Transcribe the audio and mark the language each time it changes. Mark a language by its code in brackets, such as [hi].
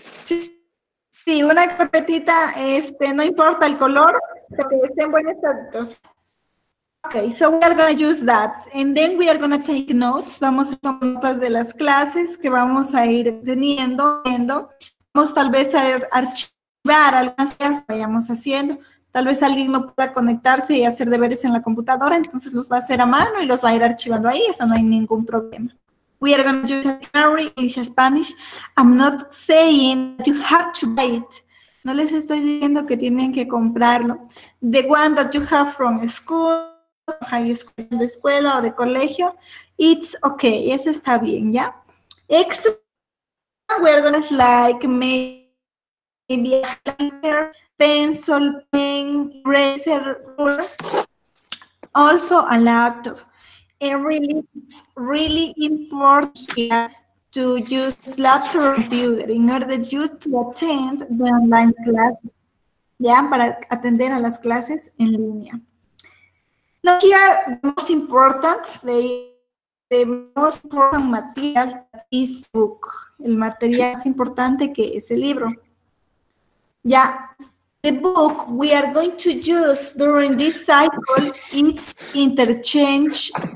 [es] Sí, una carpetita, no importa el color, que esté en buen estado. [en] Okay, so we are going to use that, and then we are going to take notes. [es] Vamos a tomar notas de las clases que vamos a ir teniendo, vamos tal vez a archivar algunas cosas que vayamos haciendo. Tal vez alguien no pueda conectarse y hacer deberes en la computadora, entonces los va a hacer a mano y los va a ir archivando ahí, eso no hay ningún problema. [en] We are going to use a dictionary, English, Spanish. I'm not saying that you have to buy it. [es] No les estoy diciendo que tienen que comprarlo. [en] The one that you have from school. High school, [es] de escuela o de colegio, [en] it's okay, [es] eso está bien, [en] ¿ya? Extra, we're gonna like, maybe a lighter, pencil, pen, eraser, ruler, also a laptop. And really, it's really important here to use laptop or computer in order for you to attend the online class, ¿ya? [es] Para atender a las clases en línea. [en] Now here, the most important material is book. [es] El material más importante que es el libro. [en] Yeah, the book we are going to use during this cycle is interchange.